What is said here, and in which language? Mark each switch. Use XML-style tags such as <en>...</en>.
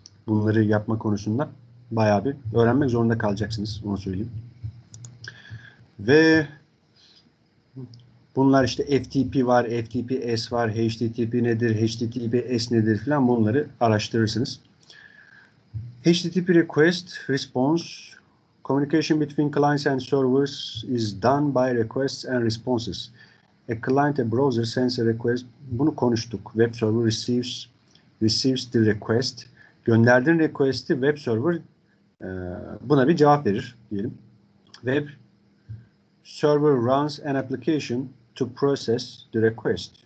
<tr>Bunları yapma konusunda bayağı bir öğrenmek zorunda kalacaksınız. Onu söyleyeyim. Ve bunlar FTP var, FTPS var, HTTP nedir, HTTPS nedir filan bunları araştırırsınız.</tr> <en>HTTP request response communication between clients and servers is done by requests and responses. A client, a browser sends a request.</en> <tr>Bunu konuştuk.</tr> <en>Web server receives the request.</en> <tr>Gönderdiğin request'i web server buna bir cevap verir diyelim.</tr> <en>Web server runs an application to process the request.</en>